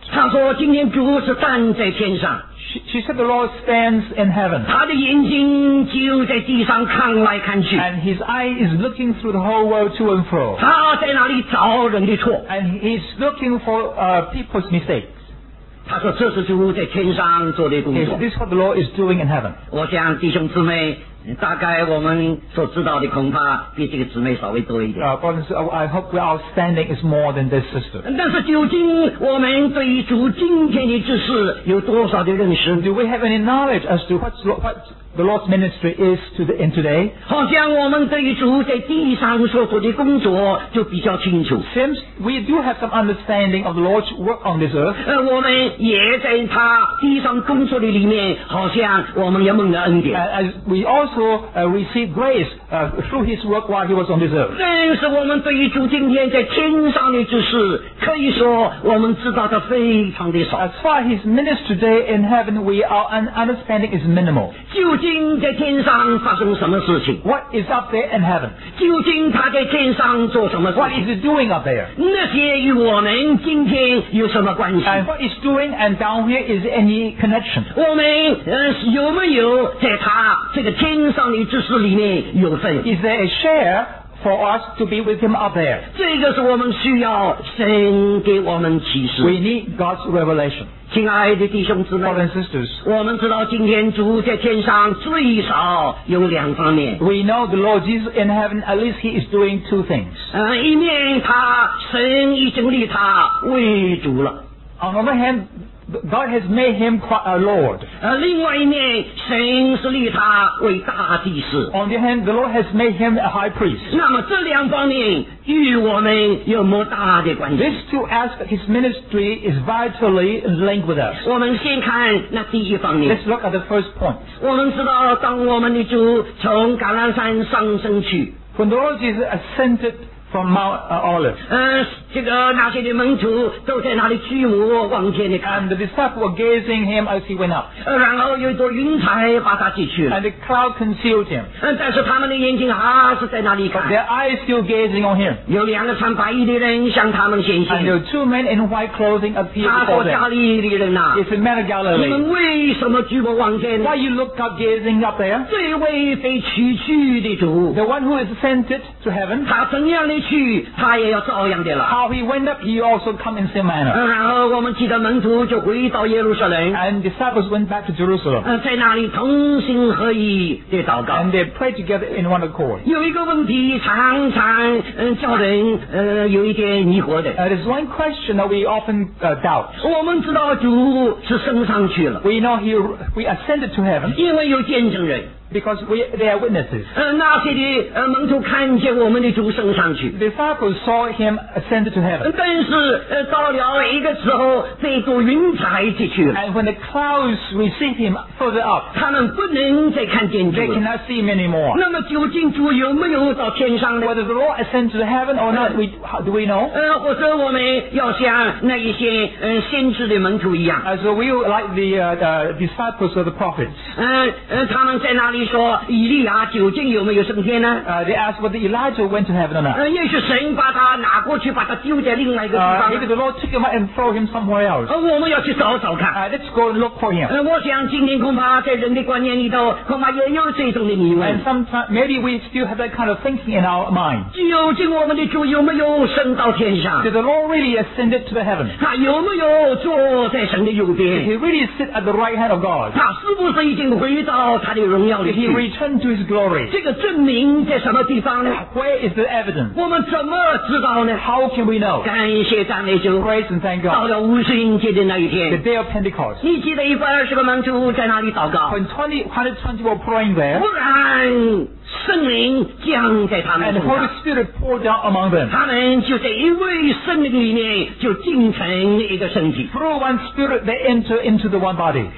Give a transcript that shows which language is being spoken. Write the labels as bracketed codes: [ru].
[zh] 他说今天主是站在天上 [en] She said the Lord stands in heaven. [zh] 他的眼睛就在地上看来看去。 [en] And his eye is looking through the whole world to and fro. [zh] 他在哪里找人的错。 [en] And he's looking for people's mistakes. [zh] 他说这是主在天上做的工作。 [en] Yes, this is what the Lord is doing in heaven. [zh] 我想弟兄姊妹大概我们所知道的恐怕比这个姊妹稍微多一点。 [en] I hope our standing is more than this sister. [zh] 但是究竟我们对于主今天的知识有多少的认识 [en] Do we have any knowledge as to what the Lord's ministry is to the end today, [zh] 好像我们对于主在地上所做的工作就比较清楚。 [en] Since we do have some understanding of the Lord's work on this earth, [zh] 我们也在他地上工作的里面，好像我们也蒙了恩典。 [en] As we also receive grace through His work while He was on this earth. [zh] 但是我们对于主今天在天上的指示，可以说我们知道的非常的少。 [en] As far as His ministry today in heaven, we are understanding is minimal. [zh] 究竟在天上发生什么事情？ [en] What is up there in heaven? [zh] 究竟他在天上做什么事情？ [en] What is He doing up there? [zh] 那些与我们今天有什么关系？ [en] And what is doing and down here is any connection? [zh] 我们有没有在他这个天上的知识里面有份？ [en] Is there a share for us to be with Him up there? [zh] 这个是我们需要神给我们启示。 [en] We need God's revelation. [zh] 亲爱的弟兄姊妹 [en] Brothers and sisters, [zh] 我们知道今天主在天上最少有两方面 [en] We know the Lord Jesus in heaven at least He is doing two things [zh] 一面他神已经立他为主了 [en] On the other hand God has made Him quite a Lord [zh] 另外一面神是立他为大祭司 [en] On the other hand the Lord has made Him a high priest [zh] 那么这两方面与我们有没有大的关系 [en] This to ask His ministry is vitally linked with us [zh] 我们先看那第一方面 [en] Let's look at the first point [zh] 我们知道当我们的主从橄榄山上升去 [en] When the Lord Jesus ascended from Mount Olives [zh] 这个那些的门徒都在那里举目望见的 [en] and the disciples were gazing him as he went up [zh] 然后有一朵云彩把他挤去了 [en] and the cloud concealed him [zh] 但是他们的眼睛还是在那里看 [en] but their eyes still gazing on him [zh] 有两个穿白衣的人向他们显现 [en] and there were two men in white clothing appeared before them [zh] 他说加利利人啊 [en] it's a man of Galilee [zh] 你们为什么举目望见 [en] why you look up gazing up there [zh] 这位被取去的主 [en] the one who is sent it to heaven [zh] 他怎样的去他也要照样的了 [en] How he went up, he also come in same manner. [zh] 然后我们记得门徒就回到耶路撒冷 [en] And the disciples went back to Jerusalem. [zh] 在那里同心合意的祷告 [en] And they prayed together in one accord. [zh] 有一个问题常常叫人有一点疑惑的 [en] There's one question that we often doubt. [zh] 我们知道主是升上去了 [en] We know we ascended to heaven. [zh] 因为有见证人 [en] Because they are witnesses. [zh] 那些的门徒看见我们的主升上去。 [en] The disciples saw him ascend to heaven. [zh] 但是到了一个时候，这朵云彩进去了。 [en] And when the clouds receive him further up, [zh] 他们不能再看见主。 [en] They cannot see him anymore. [zh] 那么究竟主有没有到天上呢 [en] ？Whether the Lord ascended to heaven or not, do we know? [zh] 或者我们要像那一些先知的门徒一样。 [en] So we like the disciples of the prophets. [zh] 他们在哪？他说以利亚究竟有没有升天呢 [en] They asked whether Elijah went to heaven or not [zh] 也许神把他拿过去把他丢在另外一个地方 [en] Maybe the Lord took him and threw him somewhere else [zh] 我们要去找找看 [en] Let's go and look for him [zh] 我想今天恐怕在人的观念里头恐怕也有这种的疑问 [en] And sometimes maybe we still have that kind of thinking in our mind [zh] 究竟我们的主有没有升到天上 [en] Did the Lord really ascend to the heaven [zh] 他有没有坐在神的右边 [en] Did he really sit at the right hand of God [zh] 他是不是已经回到他的荣耀里 [en] Did he return to his glory? [zh] 这个证明在什么地方呢 [en] Where is the evidence? [zh] 我们怎么知道呢 [en] How can we know? [zh] 感谢赞美主 [en] Praise and thank God [zh] 到了五旬节的那一天 [en] The day of Pentecost [zh] 你记得一百二十个门徒在那里祷告 [en] When 120 were praying there [zh] 忽然圣灵降在他们身上 [en] And the Holy Spirit poured down among them [zh] 他们就在一位圣灵里面就进成一个身体 [en] Through one spirit they enter into the one body